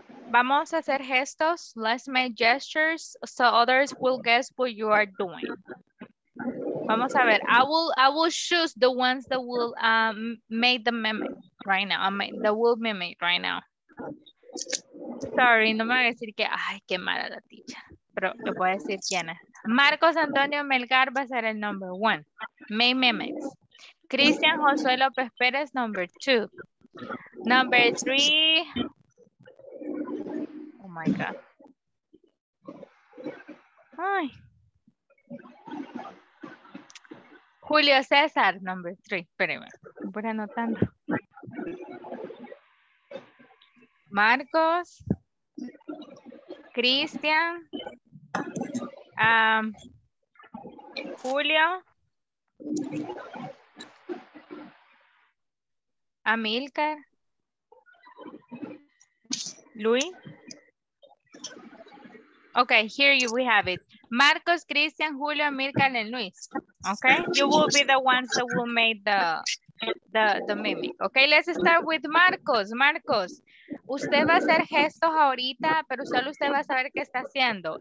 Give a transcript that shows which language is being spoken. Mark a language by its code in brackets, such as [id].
[es] Vamos a hacer gestos, [en] let's make gestures so others will guess what you are doing. [es] Vamos a ver, [en] I will choose the ones that will make the mimic right now. [es] Sorry, no me voy a decir que, ay, qué mala la ticha. Pero le voy a decir quién es. Marcos Antonio Melgar va a ser el [en] number one. [es] May mimics. [en] Cristian Josué López Pérez, number two. Number three. Oh my God. Ay. [es] Julio César, [en] number three. [es] Espérenme, voy anotando. Marcos. Cristian. Julio. Amilcar. Luis. [en] Okay, here we have it. Marcos, Cristian, Julio, Amilcar, and Luis. Okay, you will be the ones that will make the mimic. Okay, let's start with Marcos. [es] Marcos, usted va a hacer gestos ahorita, pero solo usted va a saber qué está haciendo.